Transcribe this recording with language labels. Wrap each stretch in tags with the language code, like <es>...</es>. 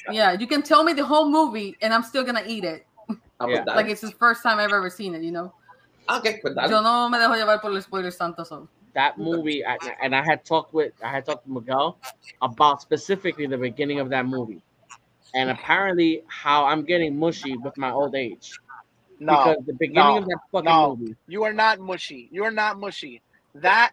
<en>Yeah, you can tell me the whole movie and I'm still gonna eat it. Yeah. Like, it's the first time I've ever seen it, you know. Okay,</en> <es>yo no me dejo llevar por los spoilers tanto, so.</es> <en>That movie, I had talked with Miguel about specifically the beginning of that movie. And apparently how I'm getting mushy with my old age. No, because the beginning of that fucking movie. You are not mushy. That</en>